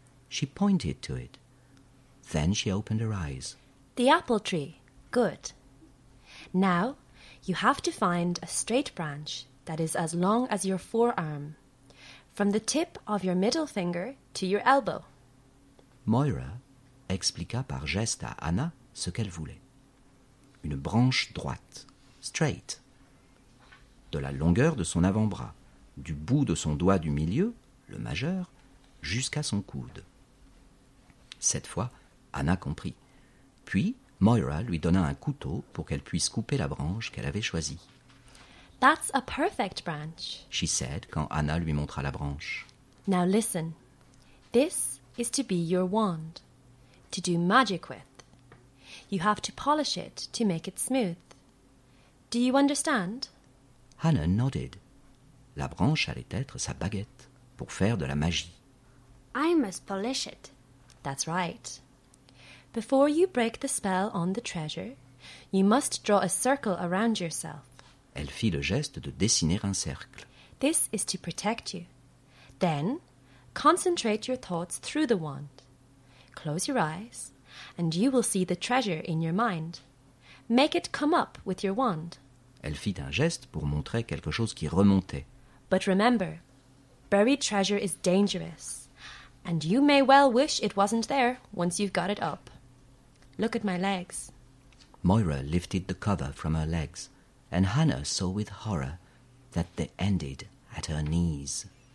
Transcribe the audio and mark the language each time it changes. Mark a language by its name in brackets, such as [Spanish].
[English] She pointed to it. Then she opened her eyes. The apple tree. Good. Now, you have to find a straight branch that is as long as your forearm. From the tip of your middle finger to your elbow. [French] Moira expliqua par geste à Anna ce qu'elle voulait. Une branche droite, [English] straight, [French] de la longueur de son avant-bras, du bout de son doigt du milieu, le majeur, jusqu'à son coude. Cette fois, Anna comprit. Puis Moira lui donna un couteau pour qu'elle puisse couper la branche qu'elle avait choisie. [English] That's a perfect branch, she said [French] quand Anna lui montra la branche. [English] Now listen. This is to be your wand, to do magic with. You have to polish it to make it smooth. Do you understand? Anna nodded. [French] La branche allait être sa baguette pour faire de la magie. [English] I must polish it. That's right. Before you break the spell on the treasure, you must draw a circle around yourself. [French] Elle fit le geste de dessiner un cercle. [English] This is to protect you. Then, concentrate your thoughts through the wand. Close your eyes, and you will see the treasure in your mind. Make it come up with your wand. [French] Elle fit un geste pour montrer quelque chose qui remontait. [English] But remember, buried treasure is dangerous, and you may well wish it wasn't there once you've got it up. Look at my legs. Moira lifted the cover from her legs. And Hannah saw with horror that they ended at her knees.